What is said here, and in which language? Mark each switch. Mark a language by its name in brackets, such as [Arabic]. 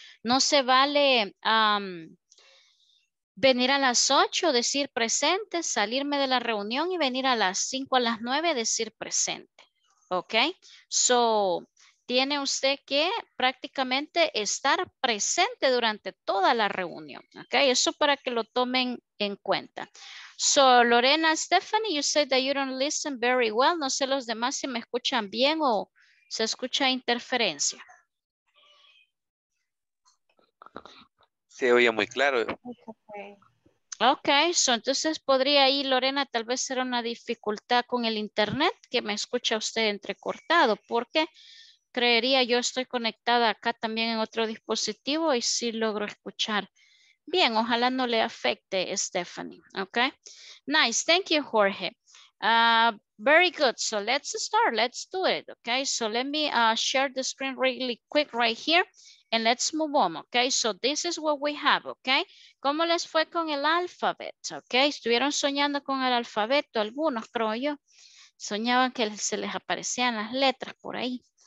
[Spanish] No se vale venir a las 8, decir presente, salirme de la reunión y venir a las 5, a las 9, decir presente. ¿Ok? So, tiene usted que prácticamente estar presente durante toda la reunión. ¿Ok? Eso para que lo tomen en cuenta. [English] So, Lorena, Stephanie, you said that you don't listen very well. [Spanish] No sé los demás si me escuchan bien o se escucha interferencia. Se oye muy claro. Okay, so entonces podría ir, Lorena, tal vez será una dificultad con el internet que me escucha usted entrecortado, porque creería yo estoy conectada acá también en otro dispositivo y sí logro escuchar. Bien, ojalá no le afecte, Stephanie. [English] Okay. Nice. Thank you, Jorge. Very good. So let's start. Let's do it. Okay. So let me share the screen really quick right here and let's move on. Okay. So this is what we have. Okay. [Spanish] ¿Cómo les fue con el alfabeto? Okay. ¿Estuvieron soñando con el alfabeto? Algunos, creo yo. soñaban que se les aparecían las letras por ahí.